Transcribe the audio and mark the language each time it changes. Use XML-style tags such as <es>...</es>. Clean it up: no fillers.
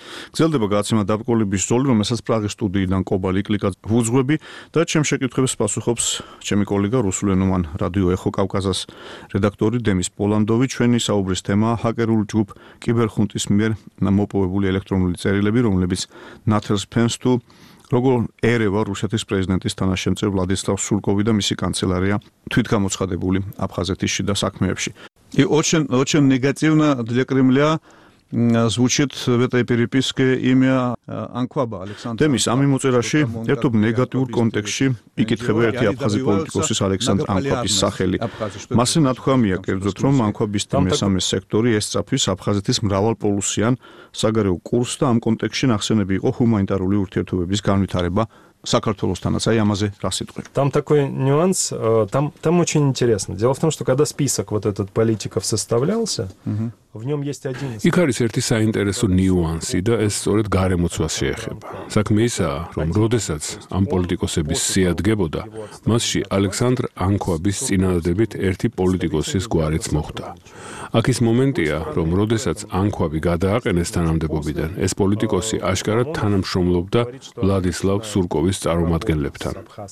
<ka>გრძელდება გაცემა დაბკოლების ზოლი, რომელსაც პრაღის სტუდიიდან კობალ იკლიკა ვუძღვები და ჩემ შეკითხვებს პასუხობს ჩემი კოლეგა, რუსულენოვან რადიო ეხო კავკაზას რედაქტორი დემის პოლანდოვი. ჩვენი საუბრის თემაა ჰაკერული ჯგუფ კიბერხუნტის მიერ მოპოვებული ელექტრონული წერილები, რომლებიც ნათელს ფენს, თუ როგორ ერევა რუსეთის პრეზიდენტის თანაშემწე ვლადისლავ სურკოვი და მისი კანცელარია თვითგამოცხადებული აფხაზეთში და საქმეებში.</ka> <ru>И очень негативно для Кремля звучит в этой переписке имя Анкваба Александра.</ru> <ka>Демис, ами моцераში ერთო ნეგატიურ კონტექსში იკითხება ერთი აფხაზი პოლიტიკოსის ალექსანდრ ანკვაბის სახელი. მასზე ნათქვამია კერძოდ, რომ ანკვაბის მესამე სექტორი ესწრაფვის აფხაზეთის მრავალპოლუსიან საგარეო კურსს და ამ კონტექსში ნახსენები იყო ჰუმანიტარული ურთიერთობების განვითარება საქართველოსთანაც. აი ამაზე რა სიტყვი.</ka> <ru>Там такой нюанс, там очень интересно. Дело в том, что когда список вот этот политиков составлялся, в нём есть один</ru> <ka>из. И карис ერთი საინტერესო ნიუანსი და ეს სწორედ გარემოცვას შეეხება. საქმე ისაა, რომ როდესაც ამ პოლიტიკოსების სია დგებოდა, მასში ალექსანდრ ანკვაბის წინააღმდეგ ერთი პოლიტიკოსის გვარიც მოხდა. აქ ის მომენტია, რომ როდესაც ანკვაბი გადააყენეს თანამდებობიდან, ეს პოლიტიკოსი აშკარად თანამშრომლობდა ვლადისლავ სურკოვის წარმომადგენლებთან.</ka>